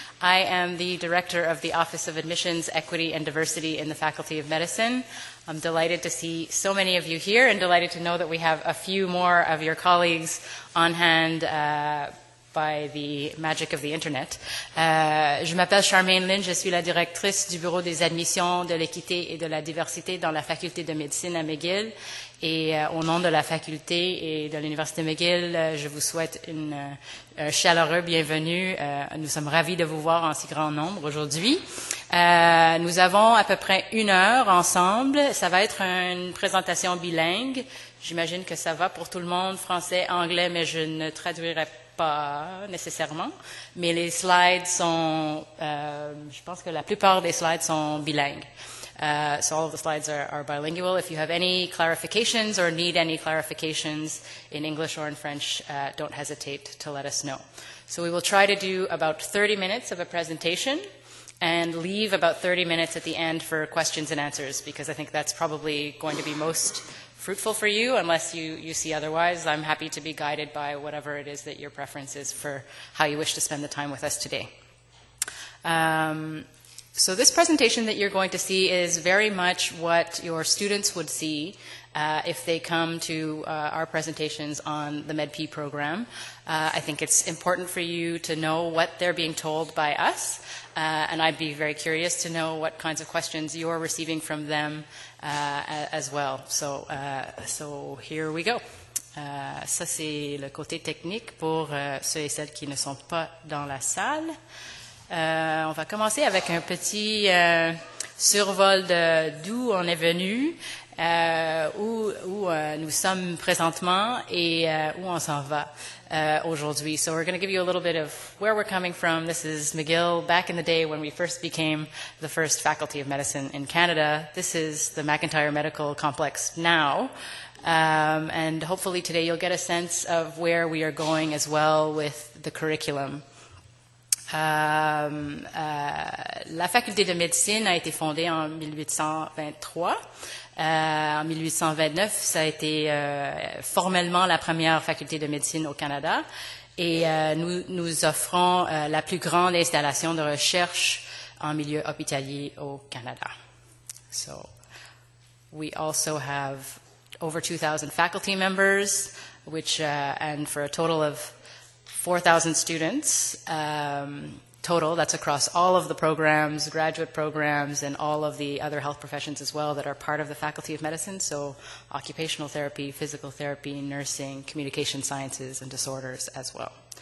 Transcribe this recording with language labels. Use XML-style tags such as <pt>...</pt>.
<en>I am the director of the Office of Admissions, Equity, and Diversity in the Faculty of Medicine. I'm delighted to see so many of you here and delighted to know that we have a few more of your colleagues on hand by the magic of the internet.</en> <fr>Je m'appelle Charmaine Lin, je suis la directrice du Bureau des Admissions de l'Équité et de la Diversité dans la Faculté de Médecine à McGill. Et au nom de la Faculté et de l'Université McGill, je vous souhaite un chaleureux bienvenue. Nous sommes ravis de vous voir en si grand nombre aujourd'hui. Nous avons à peu près une heure ensemble. Ça va être une présentation bilingue. J'imagine que ça va pour tout le monde, français, anglais, mais je ne traduirai pas. Pas nécessairement, mais les slides sont, je pense que la plupart des slides sont bilingues.</fr> <en>So all of the slides are bilingual. If you have any clarifications or need any clarifications in English or in French, don't hesitate to let us know. So we will try to do about 30 minutes of a presentation and leave about 30 minutes at the end for questions and answers, because I think that's probably going to be most fruitful for you, unless you see otherwise. I'm happy to be guided by whatever it is that your preference is for how you wish to spend the time with us today. So this presentation that you're going to see is very much what your students would see if they come to our presentations on the MedP program. I think it's important for you to know what they're being told by us, and I'd be very curious to know what kinds of questions you're receiving from them as well. So here we go.</en> <fr>Ça, c'est le côté technique pour ceux et celles qui ne sont pas dans la salle. On va commencer avec un petit survol de d'où on est venu, où nous sommes présentement et où on s'en va aujourd'hui.</fr> <en>So we're going to give you a little bit of where we're coming from. This is McGill back in the day when we first became the first Faculty of Medicine in Canada. This is the McIntyre Medical Complex now. And hopefully today you'll get a sense of where we are going as well with the curriculum.</en> <fr>La faculté de médecine a été fondée en 1823. En 1829, ça a été formellement la première faculté de médecine au Canada. Et nous offrons la plus grande installation de recherche en milieu hospitalier au Canada.</fr> <en>So, we also have over 2,000 faculty members, which, and for a total of 4,000 students, total, that's across all of the programs, graduate programs, and all of the other health professions as well that are part of the Faculty of Medicine, so occupational therapy, physical therapy, nursing, communication sciences, and disorders as well.</en>